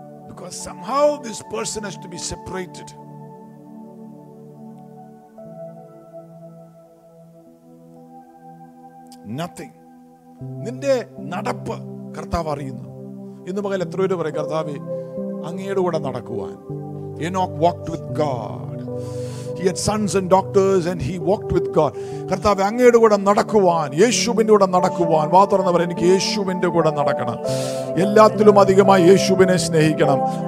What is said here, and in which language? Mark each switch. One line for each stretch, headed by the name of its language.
English: Because somehow this person has to be separated.
Malayalam: Nothing. നിന്റെ നടപ്പ് കർത്താവ് അറിയുന്നു. ഇന്ന് പകൽ എത്ര പേര് പറയും, കർത്താവ് അങ്ങയുടെ കൂടെ നടക്കുവാൻ.
English: Enoch walked with God. He had sons and daughters and he walked with God.
Malayalam: കർത്താവേ അങ്ങയുടെ കൂടെ നടക്കുവാൻ, യേശുവിൻ്റെ കൂടെ നടക്കുവാൻ. വാ തുറന്നവർ, എനിക്ക് യേശുവിൻ്റെ കൂടെ നടക്കണം, എല്ലാത്തിലും അധികമായി യേശുവിനെ സ്നേഹിക്കണം.